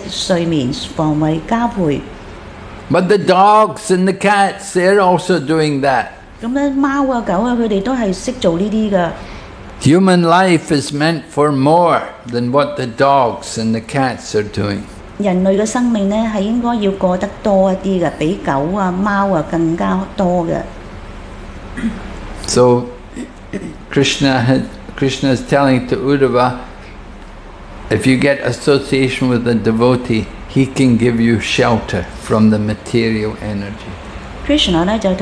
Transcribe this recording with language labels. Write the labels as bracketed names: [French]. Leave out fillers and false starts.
[Chinese] 他們所做的全部都是飲食、睡眠、防衛、交配。 [English] But the dogs and the cats, they're also doing that. [Chinese] 貓、狗、他們都是懂得做這些的。 [English] Human life is meant for more than what the dogs and the cats are doing. [Chinese] 人類的生命是應該要過得多一些的,比狗、貓更加多的。 [English] So, Krishna is telling to Uddhava, if you get association with a devotee, he can give you shelter from the material energy.